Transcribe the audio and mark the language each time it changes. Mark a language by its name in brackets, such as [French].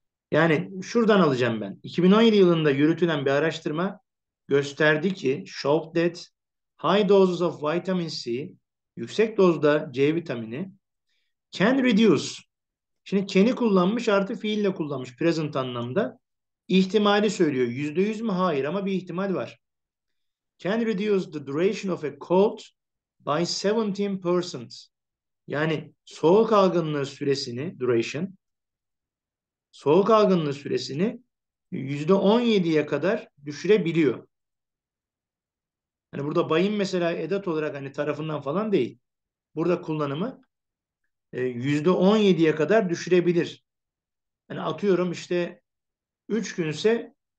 [Turkish] Yani şuradan alacağım ben. 2017 yılında yürütülen bir araştırma gösterdi ki [English] showed that high doses of vitamin C, [Turkish] yüksek dozda C vitamini [English] can reduce. [Turkish] Şimdi can'i kullanmış artı fiille kullanmış present anlamda. İhtimali söylüyor. %100 mü? Hayır ama bir ihtimal var. [English] Can reduce the duration of a cold by 17%. [Turkish] Yani soğuk algınlığı süresini, duration, soğuk algınlığı süresini %17'ye kadar düşürebiliyor. Hani burada bayım mesela edat olarak hani tarafından falan değil. Burada kullanımı %17'ye kadar düşürebilir. Hani atıyorum işte 3 günse